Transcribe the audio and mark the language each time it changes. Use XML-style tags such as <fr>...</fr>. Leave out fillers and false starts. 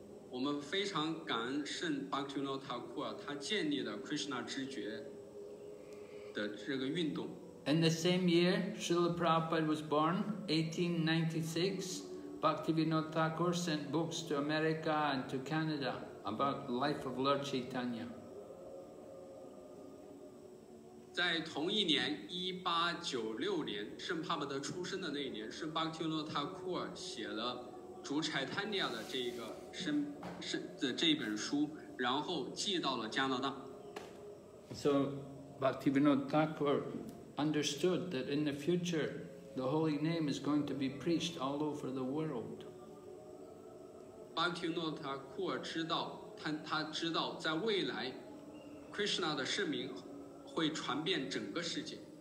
<en>We're very grateful to Bhaktivinoda Thakur for establishing Krishna consciousness. In the same year, Srila Prabhupada was born, 1896, Bhaktivinoda Thakur sent books to America and to Canada about the life of Lord Chaitanya.</en> <zh>在同一年1896年圣帕帕德出生的那一年圣巴克提诺塔库尔写了主柴坦尼亚的这一个的这一本书，然后寄到了加拿大。</zh> <en>So, Bhaktivinoda Thakur understood that in the future, the holy name is going to be preached all over the world.</en> <zh>Bhaktivinoda Thakur 知道，他知道在未来 ，Krishna 的圣名会传遍整个世界。</zh>